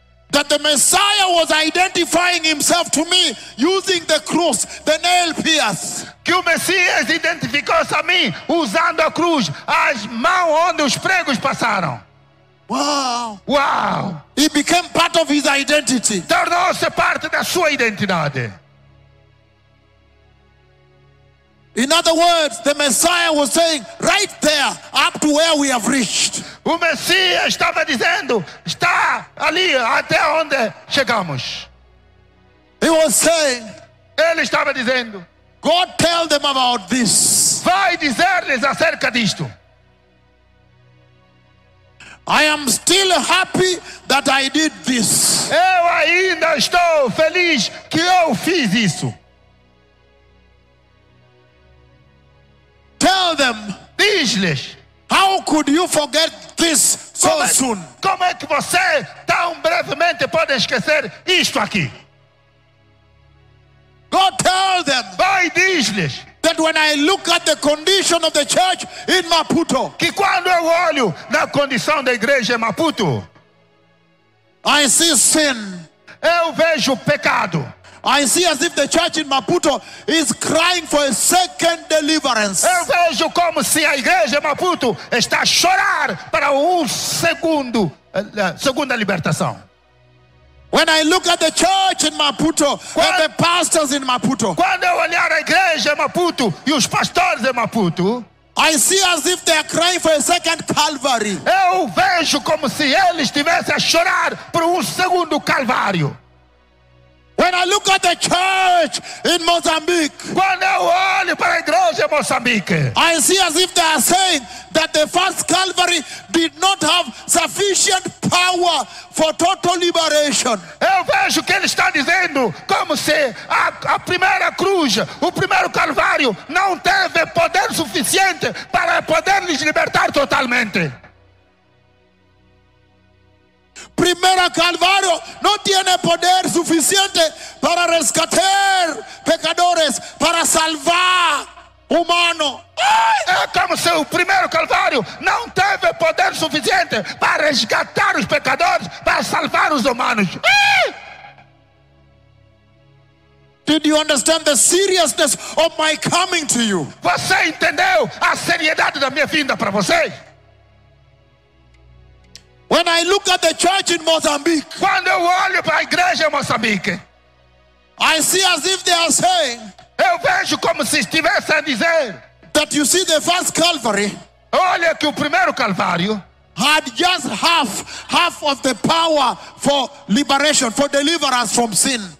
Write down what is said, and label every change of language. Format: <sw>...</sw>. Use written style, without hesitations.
<en>that the Messiah was identifying himself to me using the cross, the nail pierce.</en> <pt>Que o Messias identificou-se a mim usando a cruz, as mãos onde os pregos passaram.</pt> <en>Wow! Wow! He became part of his identity.</en> <pt>Tornou-se parte da sua identidade.</pt> <en>In other words, the Messiah was saying, right there, up to where we have reached.</en> <pt>O Messias estava dizendo, está ali, até onde chegamos.</pt> <en>He was saying,</en> <pt>ele estava dizendo,</pt> <en>go tell them about this.</en> <pt>Vai dizer-lhes acerca disto.</pt> <en>I am still happy that I did this.</en> <pt>Eu ainda estou feliz que eu fiz isso.</pt> <en>Tell them,</en> <pt>diz-lhes,</pt> <en>how could you forget this so soon?</en> <pt>Como é que você tão brevemente pode esquecer isto aqui?</pt> <en>Go tell them,</en> <pt>vai diz-lhes,</pt> <en>that when I look at the condition of the church in Maputo,</en> <pt>que quando eu olho na condição da igreja em Maputo,</pt> <en>I see sin,</en> <pt>eu vejo pecado.</pt> <en>I see as if the church in Maputo is crying for a second deliverance.</en> <pt>Eu vejo como se a igreja em Maputo está a chorar para segunda libertação.</pt> <en>When I look at the church in Maputo, and the pastors in Maputo,</en> <pt>quando eu olhar a igreja em Maputo e os pastores em Maputo,</pt> <en>I see as if they are crying for a second Calvary.</en> <pt>Eu vejo como se eles estivessem a chorar por segundo Calvário.</pt> <en>When I look at the church in Mozambique,</en> <pt>quando eu olho para a igreja Moçambique.</pt> <en>I see as if they are saying that the first Calvary did not have sufficient power for total liberation.</en> <pt>Eu vejo que ele está dizendo como se a primeira cruz, o primeiro Calvário, não teve poder suficiente para poder lhes libertar totalmente. Primeiro Calvário não tinha poder suficiente para rescatar pecadores, para salvar humano. É como se o primeiro Calvário não teve poder suficiente para resgatar os pecadores, para salvar os humanos.</pt> <en>Did you understand the seriousness of my coming to you?</en> <pt>Você entendeu a seriedade da minha vinda para você?</pt> <en>When I look at the church in Mozambique,</en> <pt>quando eu olho para a igreja em Moçambique,</pt> <en>I see as if they are saying,</en> <pt>eu vejo como se estivesse a dizer,</pt> <en>that you see the first Calvary,</en> <pt>olha que o primeiro Calvário</pt> <en>had just half of the power for liberation, for deliverance from sin.</en>